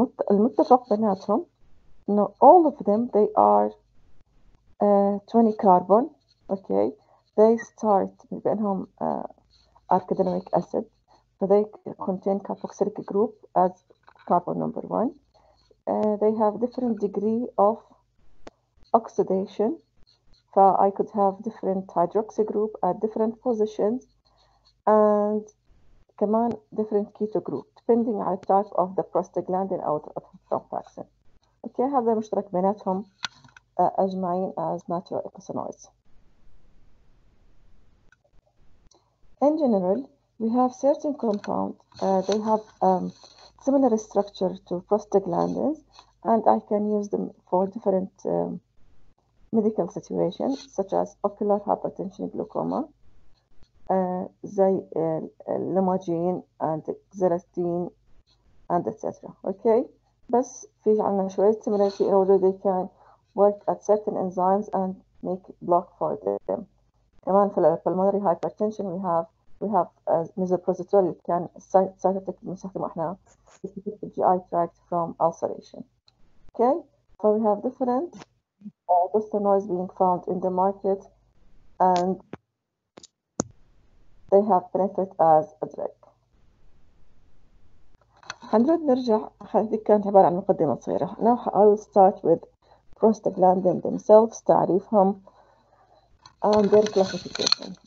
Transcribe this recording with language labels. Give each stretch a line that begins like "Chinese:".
Arabic: المتفق بيناتهم انه
English: all of them they are 20 carbon okay they start بينهم arachidonic acid so they contain carboxylic group as carbon number 1 they have different degree of oxidation so I could have different hydroxy group at different positions and كمان different keto group depending on the type of the prostaglandin or the prostaxin.
Arabic: Okay, هذا مشترك بيناتهم أجمعين
English: as natural eicosanoids. In general, we have certain compounds. They have similar structure to prostaglandins, and I can use them for different medical situations, such as ocular hypertension, glaucoma. زي الليماجين and xerostine and etc. Okay,
Arabic: بس في عنا شوية
English: similarity in order they can work at certain enzymes and make block for them. كمان في pulmonary hypertension we have misoprostol can cytotoxic
Arabic: نستخدمه احنا
English: في GI tract from ulceration. Okay, so we have different prostaglandins being found in the market and they have benefit as a drug.
Arabic: هنرد نرجع هذه كانت عبارة عن مقدمة صغيرة.
English: Now I will start with prostaglandin themselves تعريفهم and their classification.